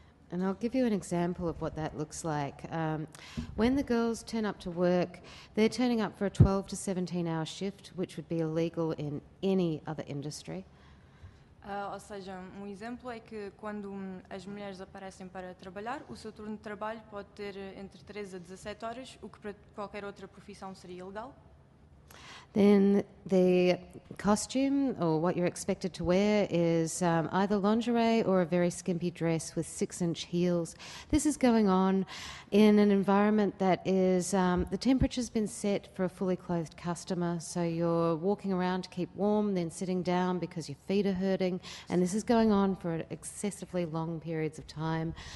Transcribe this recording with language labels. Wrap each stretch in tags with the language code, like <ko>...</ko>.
<en>And I'll give you an example of what that looks like. When the girls turn up to work, they're turning up for a 12 to 17 hour shift, which would be illegal in any other industry.</en> <pt>Ou seja, um exemplo é que quando as mulheres aparecem para trabalhar, o seu turno de trabalho pode ter entre 13 a 17 horas, o que para qualquer outra profissão seria ilegal.</pt> <en>Then the costume or what you're expected to wear is either lingerie or a very skimpy dress with 6-inch heels. This is going on in an environment that is, the temperature's been set for a fully clothed customer, so you're walking around to keep warm, then sitting down because your feet are hurting, and this is going on for excessively long periods of time.</en>